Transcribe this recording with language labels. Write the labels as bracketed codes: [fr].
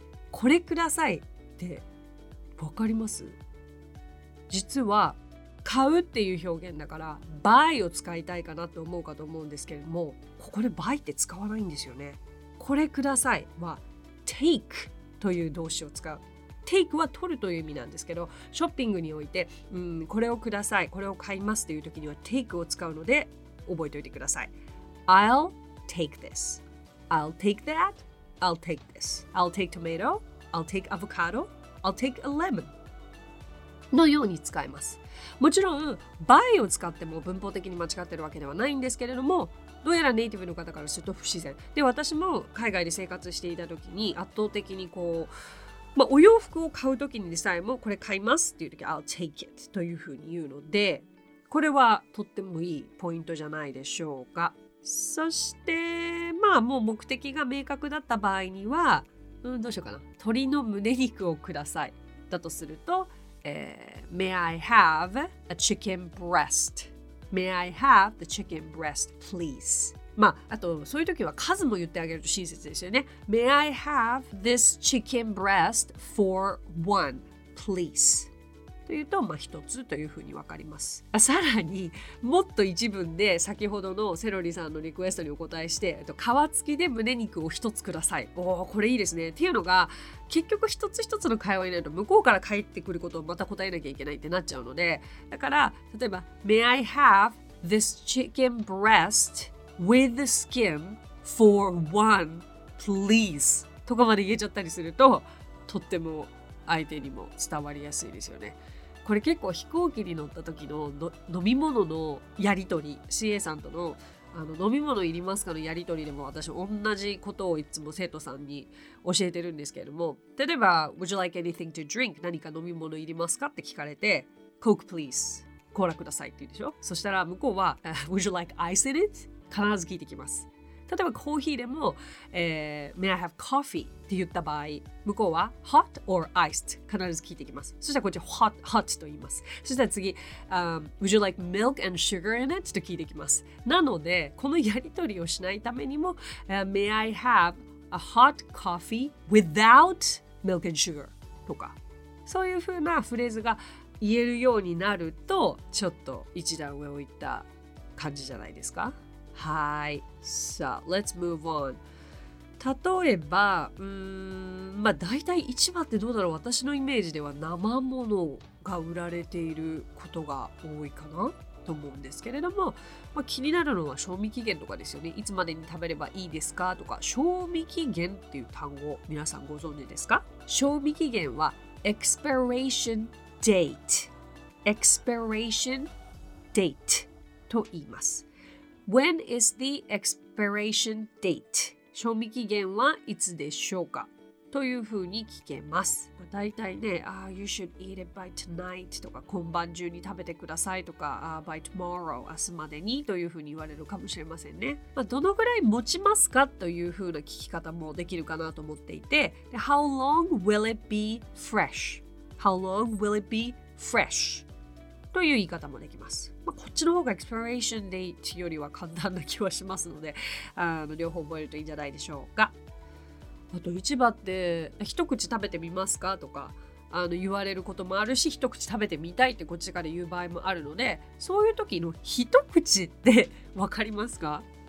[ja] これくださいってわかります？実は買うっていう表現だから buy を使いたいかなと思うかと思うんですけれども、ここで buy って使わないんですよね。これくださいは take という動詞を使う。 Take は取るという意味なんですけど、ショッピングにおいて、これをください、これを買いますという時には Take を使うので覚えておいてください。 [en] I'll take this, I'll take that, I'll take this, I'll take tomato, I'll take avocado, I'll take a lemon のように使います。 [ja] もちろん Buy を使っても文法的に間違ってるわけではないんですけれども、どうやらネイティブの方からすると不自然で、私も海外で生活していた時に圧倒的にこう、お洋服を買うときにでさえもこれ買いますっていうとき [en] I'll take it [ja] というふうに言うので、これはとってもいいポイントじゃないでしょうか。そしてまあもう目的が明確だった場合には、どうしようかな、鶏の胸肉をくださいだとすると、 [en] May I have a chicken breast? May I have the chicken breast, please? [ja] まああとそういう時は数も言ってあげると親切ですよね。 [en] May I have this chicken breast for one, please? [ja] というと、まあ、一つというふうに分かります。さらにもっと一文で先ほどのセロリさんのリクエストにお答えして、皮付きで胸肉を一つください。おー、これいいですね。っていうのが結局一つ一つの会話になると向こうから帰ってくることをまた答えなきゃいけないってなっちゃうので、だから例えば [en] May I have this chicken breast with the skin for one please [ja] とかまで言えちゃったりするととっても相手にも伝わりやすいですよね。これ結構飛行機に乗った時 の飲み物のやり取り、 CA さんと あの飲み物いりますかのやり取りでも私同じことをいつも生徒さんに教えてるんですけれども、例えば [en] Would you like anything to drink? [ja] 何か飲み物いりますかって聞かれて [en] Coke please、 [ja] コーラくださいって言うでしょ。そしたら向こうは [en] Would you like ice in it? [ja] 必ず聞いてきます。例えばコーヒーでも、 [en] May I have coffee? [ja] って言った場合、向こうは [en] hot or iced? [ja] 必ず聞いてきます。そしたらこっち hot と言います。 [en] そしたら次、Would you like milk and sugar in it? [ja] と聞いてきます。なので、このやり取りをしないためにも、 [en] May I have a hot coffee without milk and sugar? [ja] とか、そういうふうなフレーズが言えるようになると、ちょっと一段上をいった感じじゃないですか。はい、さあ、 [en] Let's move on。 [ja] 例えば、まあ、大体市場ってどうだろう、私のイメージでは生ものが売られていることが多いかなと思うんですけれども、まあ、気になるのは賞味期限とかですよね。いつまでに食べればいいですかとか、賞味期限っていう単語、皆さんご存知ですか？賞味期限は expiration date、 expiration date と言います。 [en] When is the expiration date? [ja] 賞味期限はいつでしょうかというふうに聞けます。まあ、大体ね、ah, [en] You should eat it by tonight [ja] とか、今晩中に食べてくださいとか、 [en] By tomorrow、 [ja] 明日までにというふうに言われるかもしれませんね。まあ、どのぐらい持ちますかというふうな聞き方もできるかなと思っていて、で [en] How long will it be fresh? How long will it be fresh? [ja] という言い方もできます。まあ、こっちの方が expiration date よりは簡単な気はしますので、両方覚えるといいんじゃないでしょうか。あと市場って一口食べてみますかとか言われることもあるし、一口食べてみたいってこっちから言う場合もあるので、そういう時の一口ってわかりますか？